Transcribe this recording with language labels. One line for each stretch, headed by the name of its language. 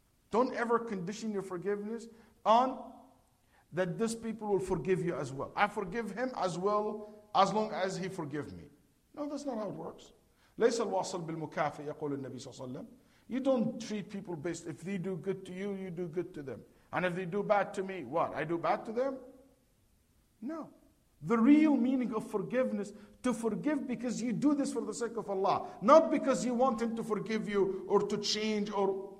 English: Don't ever condition your forgiveness on that this people will forgive you as well. I forgive him as well as long as he forgive me. No, that's not how it works.
Arabic: ليس الواصل بالمكافئ يقول النبي صلى الله عليه وسلم.
English: You don't treat people based, if they do good to you, you do good to them. And if they do bad to me, what? I do bad to them? No. The real meaning of forgiveness, to forgive because you do this for the sake of Allah. Not because you want Him to forgive you or to change or...